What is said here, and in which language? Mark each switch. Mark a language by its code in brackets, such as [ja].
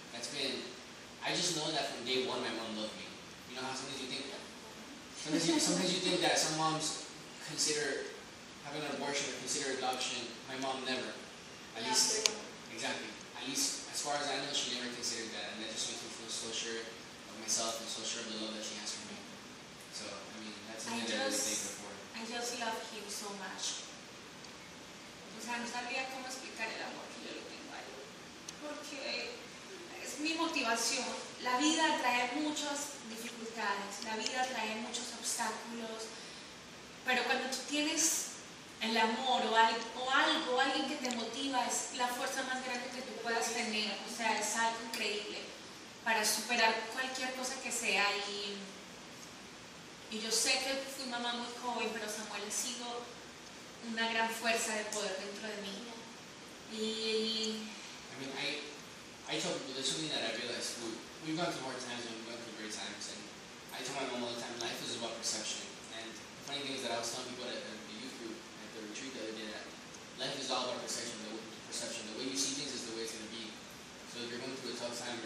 [en] That's been, I just know that from day one my mom loved me. You know how sometimes you think that some moms consider having an abortion or consider adoption. My mom never. At least, as far as I know, she never considered that, and that just makes me feel so sure of myself and so sure of the love that she has for me. So, I mean, that's something that I really thank her for. I just love him so much. [es] O sea, no sabía cómo explicar el amor que yo lo tengo ahí. Porque es mi motivación. La vida trae muchas dificultades, la vida trae muchos obstáculos, pero cuando tú tienes el amor o algo, alguien que te motiva, es la fuerza más grande que tú puedas tener. O sea, es algo increíble para superar cualquier cosa que sea. Y yo sé que fui mamá muy joven, pero Samuel ha sido una gran fuerza de poder dentro de mí. Y [en] I tell people, there's something that I realized. We've gone through hard times and we've gone through great times. And I tell my mom all the time, life is about perception. And the funny thing is that I was telling people that retreat the other day that life is all about perception. The way you see things is the way it's going to be. So if you're going through a tough